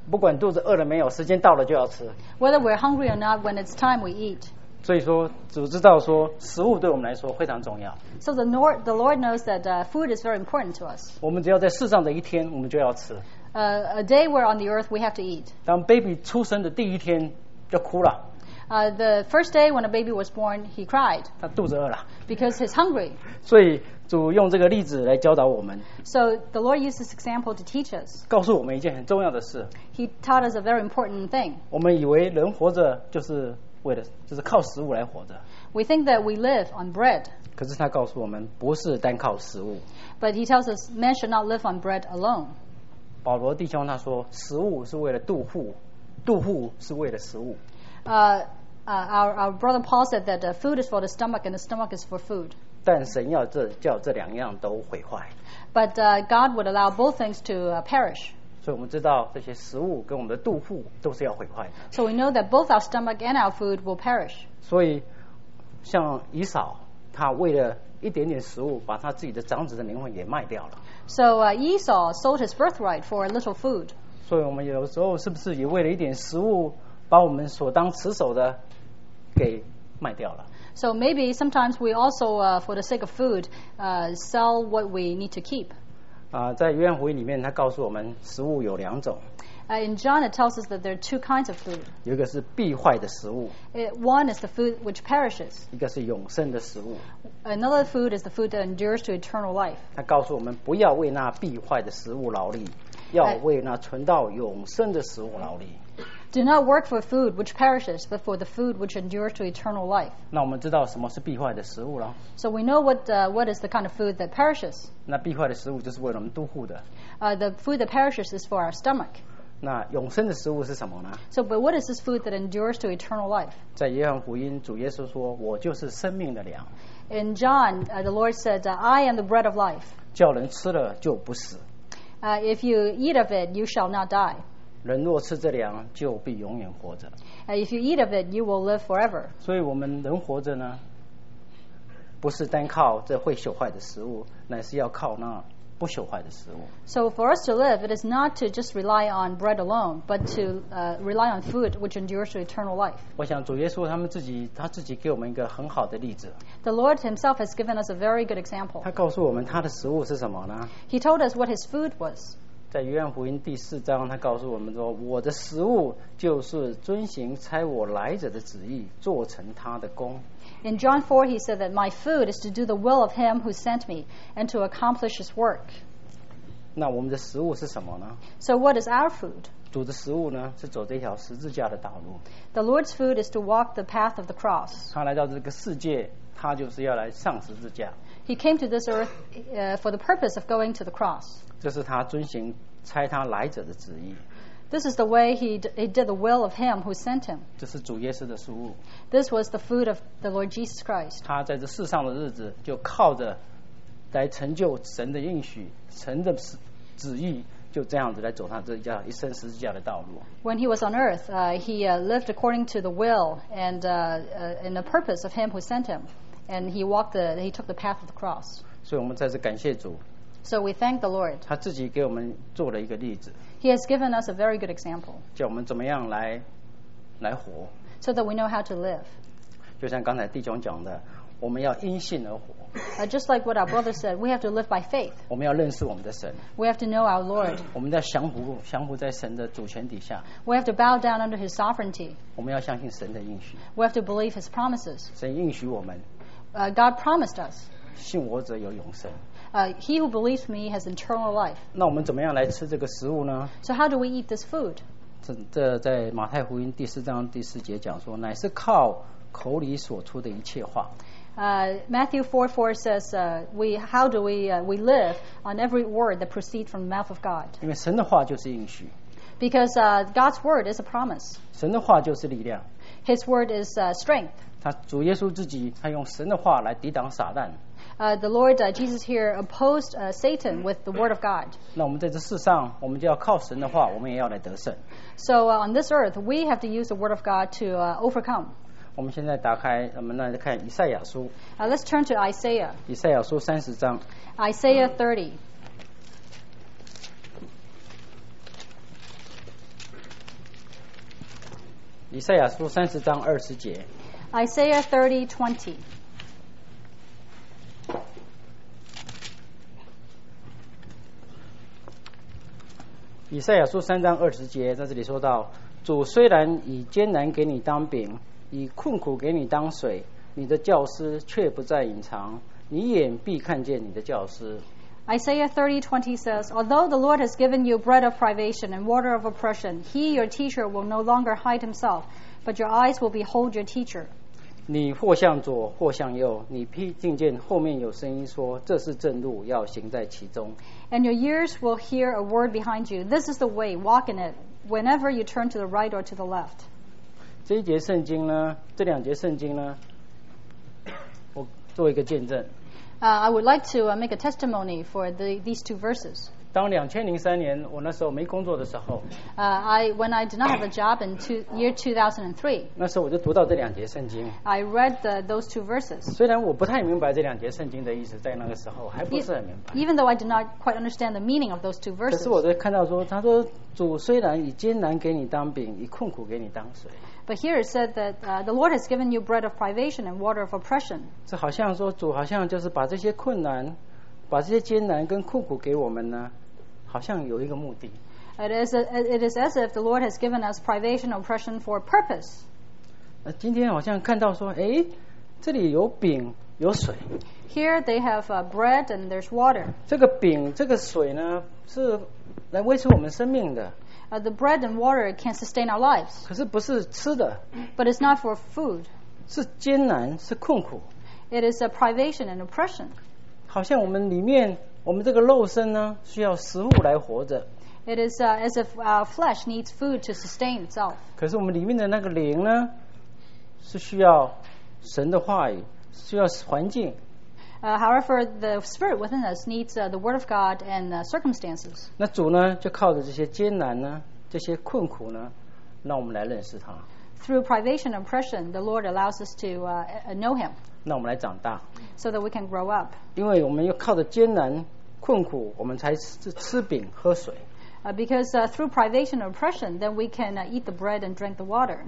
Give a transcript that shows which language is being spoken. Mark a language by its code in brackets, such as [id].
[zh] 不管肚子饿了没有时间到了就要吃 [en] whether we're hungry or not when it's time we eat [zh] 所以说，主知道说，食物对我们来说非常重要。 [en] So the Lord knows that food is very important to us. [zh] 我们只要在世上的一天，我们就要吃。 [en] A day we're on the earth, we have to eat. [zh] 当 baby 出生的第一天就哭了。 [en] The first day when a baby was born, he cried. [zh] 他肚子饿了。 [en] Because he's hungry. [zh] 所以主用这个例子来教导我们。 [en] So the Lord used this example to teach us. [zh] 告诉我们一件很重要的事。 [en] He taught us a very important thing. [zh] 我们以为人活着就是。为了就是靠食物来活着。 [en] We think that we live on bread. [zh] 可是他告诉我们，不是单靠食物。 [en] But he tells us, man should not live on bread alone. [zh] 保罗弟兄他说，食物是为了肚腹是为了食物。 [en] Our brother Paul said that the food is for the stomach and the stomach is for food. [zh] 但神要叫这两样都毁坏。 [en] But God would allow both things to perish. [zh] 所以我们知道这些食物跟我们的肚腹都是要毁坏的。 [en] So we know that both our stomach and our food will perish. [zh] 所以像以扫，他为了一点点食物，把他自己的长子的灵魂也卖掉了。 [en] So Esau sold his birthright for a little food. [zh] 所以我们有时候是不是也为了一点食物，把我们所当持守的给卖掉了 [en] ？So maybe sometimes we also, for the sake of food, sell what we need to keep. [zh] 在约翰福音里面他告诉我们食物有两种。 [en] In John it tells us that there are two kinds of food. [zh] 有一个是必坏的食物。 [en] One is the food which perishes. [zh] 一个是永生的食物。 [en] Another food is the food that endures to eternal life. [zh] 他告诉我们不要为那必坏的食物劳力，要为那存到永生的食物劳力。 [en] Do not work for food which perishes, but for the food which endures to eternal life. [zh] 那我们知道什么是必坏的食物了。 [en] So we know what is the kind of food that perishes. [zh] 那必坏的食物就是为了我们肚腹的。 [en] The food that perishes is for our stomach. [zh] 那永生的食物是什么呢？ [en] So, but what is this food that endures to eternal life? [zh] 在约翰福音，主耶稣说，我就是生命的粮。 [en] In John, the Lord said, I am the bread of life. [zh] 叫人吃了就不死。 [en] If you eat of it, you shall not die. [zh] 人若吃这粮，就必永远活着。 [en] If you eat of it, you will live forever. [zh] 所以我们人活着呢，不是单靠这会朽坏的食物，乃是要靠那不朽坏的食物。 [en] So for us to live, it is not to just rely on bread alone, but to rely on food which endures to eternal life. [zh] 我想主耶稣他自己给我们一个很好的例子。 [en] The Lord Himself has given us a very good example. [zh] 他告诉我们他的食物是什么呢？ [en] He told us what His food was. [zh] 在约翰福音第四章，他告诉我们说：“我的食物就是遵行差我来者的旨意，做成他的工。” [en] In John 4, he said that my food is to do the will of him who sent me and to accomplish his work. [zh] 那我们的食物是什么呢？ [en] So what is our food? [zh] 主的食物呢，是走这条十字架的道路。 [en] The Lord's food is to walk the path of the cross. [zh] 他来到这个世界，他就是要来上十字架。 [en] He came to this earth for the purpose of going to the cross. [zh] 这是他遵行差他来者的旨意。 [en] This is the way he did the will of him who sent him. [zh] 这是主耶稣的食物。 [en] This was the food of the Lord Jesus Christ. [zh] 他在这世上的日子就靠着来成就神的应许，神的旨意，就这样子来走他这一生十字架的道路。 [en] When he was on earth, he lived according to the will and the purpose of him who sent him. And he took the path of the cross. [zh] 所以我们再次感谢主。 [en] So we thank the Lord. [zh] 他自己给我们做了一个例子。 [en] He has given us a very good example. [zh] 叫我们怎么样来活。 [en] So that we know how to live. [zh] 就像刚才弟兄讲的，我们要因信而活。 [en] Just like what our brother said, we have to live by faith. [zh] 我们要认识我们的神。 [en] We have to know our Lord. [zh] 我们要降服在神的主权底下。 [en] We have to bow down under His sovereignty. [zh] 我们要相信神的应许。 [en] We have to believe His promises. [zh] 神应许我们。 [en] God promised us. [zh] 信我者有永生。 [en] He who believes me has eternal life. [zh] 那我们怎么样来吃这个食物呢？ [en] So how do we eat this food? [zh] 这在马太福音第四章第四节讲说，乃是靠口里所出的一切话。 [en] Matthew 4:4 says, we live on every word that proceeds from the mouth of God. [zh] 因为神的话就是应许。 [en] Because God's word is a promise. [zh] 神的话就是力量。 [en] His word is strength. [zh] 他主耶稣自己，他用神的话来抵挡撒旦。 [en] The Lord Jesus here opposed Satan with the word of God. [zh] 那我们在这世上，我们就要靠神的话，我们也要来得胜。 [en] So on this earth, we have to use the word of God to overcome. [zh] 我们现在打开，我们来看以赛亚书。 [en] Let's turn to Isaiah. [zh] 以赛亚书三十章。 [en] Isaiah 30. Isaiah 30, 20. Isaiah 30, 20. Isaiah 30, 20. [zh] 在这里说到，主虽然以艰难给你当饼，以困苦给你当水，你的教师却不再隐藏，你眼必看见你的教师。 [en] Isaiah 30:20 says, Although the Lord has given you bread of privation and water of oppression, He, your teacher, will no longer hide Himself, but your eyes will behold your teacher. [zh] 你或向左，或向右，你必听见后面有声音说，这是正路，要行在其中。 [en] And your ears will hear a word behind you. This is the way, walk in it, whenever you turn to the right or to the left. [zh] 这一节圣经呢，这两节圣经呢，我做一个见证。 [en] I would like to make a testimony for these two verses. [zh] 当2003年我那时候没工作的时候 [en] When I did not have a job in year 2003, [zh] 那时候我就读到这两节圣经。 [en] I read those two verses. [zh] 虽然我不太明白这两节圣经的意思，在那个时候还不是很明白。 [en] Even though I did not quite understand the meaning of those two verses. [zh] 可是我就看到说，他说主虽然以艰难给你当饼，以困苦给你当水。 [en] But here it said that the Lord has given you bread of privation and water of oppression. [zh] 这好像说主好像就是把这些困难把这些艰难跟困苦给我们呢，好像有一个目的。 [en] It is as if the Lord has given us privation and oppression for a purpose. [zh] 今天好像看到说，哎，这里有饼，有水。 [en] Here they have bread and there's water. [zh] 这个饼，这个水呢，是来维持我们生命的。 [en] The bread and water can sustain our lives. [zh] 可是不是吃的。 [en] But it's not for food. [zh] 是艰难，是困苦。 [en] It is a privation and oppression. [zh] 好像我们里面，我们这个肉身呢，需要食物来活着。 [en] It is as if our flesh needs food to sustain itself. [zh] 可是我们里面的那个灵呢，是需要神的话语，需要环境。 [en] However, the spirit within us needs the word of God and circumstances. [zh] 那主呢，就靠着这些艰难呢，这些困苦呢，让我们来认识他。 [en] Through privation and oppression, the Lord allows us to know Him. [zh] 那我们来长大。 [en] So that we can grow up. [zh] 因为我们要靠着艰难困苦，我们才吃饼喝水。 [en] Because through privation and oppression, then we can eat the bread and drink the water.